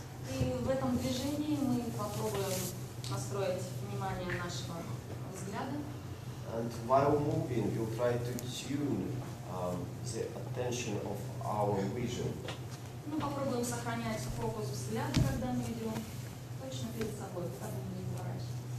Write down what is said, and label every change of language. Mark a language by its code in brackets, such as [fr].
[ru] И в этом движении мы попробуем настроить внимание нашего взгляда. [en] And while moving, we'll try to tune the attention of our vision. [ru] Мы попробуем сохранять фокус взгляда, когда мы идем точно перед собой, так мы не поворачиваемся.